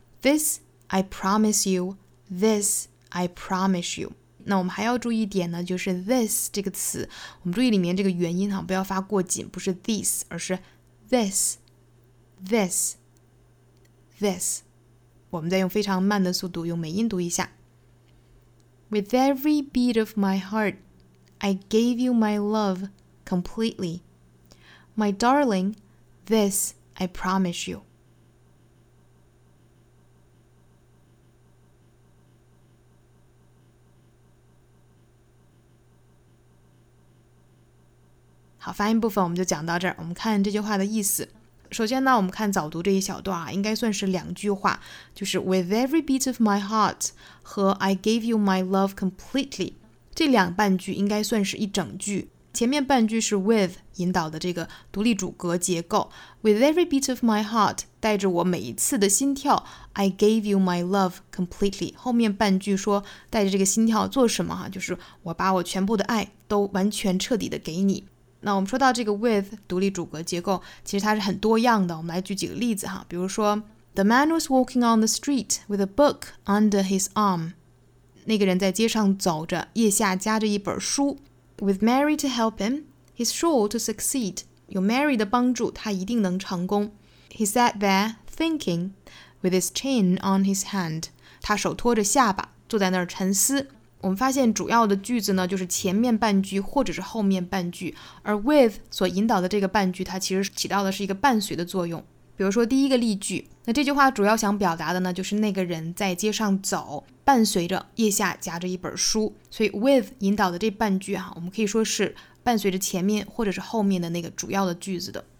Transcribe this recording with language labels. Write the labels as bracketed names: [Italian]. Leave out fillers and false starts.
[English] This I promise you， This I promise you。 [Chinese] 那我们还要注意一点呢，就是 this 这个词，我们注意里面这个元音不要发过紧，不是 this 而是 this this this。我们再用非常慢的速度用美音读一下。 [English] With every beat of my heart, I gave you my love completely. My darling, this I promise you. [Chinese] 好，发音部分我们就讲到这儿，我们看这句话的意思。首先呢，我们看早读这一小段，应该算是两句话，就是 [English] With every beat of my heart [Chinese] 和 [English] I gave you my love completely， [Chinese] 这两半句应该算是一整句。前面半句是 with 引导的这个独立主格结构， [English] With every beat of my heart [Chinese] 带着我每一次的心跳， [English] I gave you my love completely， [Chinese] 后面半句说带着这个心跳做什么，就是我把我全部的爱都完全彻底的给你。那我们说到这个 with 独立主格结构，其实它是很多样的，我们来举几个例子哈。 [English] 比如说 The man was walking on the street with a book under his arm， [Chinese] 那个人在街上走着，腋下夹着一本书。 [English] With Mary to help him he's sure to succeed， [Chinese] 有 Mary 的帮助他一定能成功。 [English] He sat there thinking with his chin on his hand， [Chinese] 他手托着下巴坐在那儿沉思。我们发现主要的句子呢，就是前面半句或者是后面半句，而 with 所引导的这个半句它其实起到的是一个伴随的作用。比如说第一个例句，那这句话主要想表达的呢，就是那个人在街上走，伴随着腋下夹着一本书，所以 with 引导的这半句啊，我们可以说是伴随着前面或者是后面的那个主要的句子的。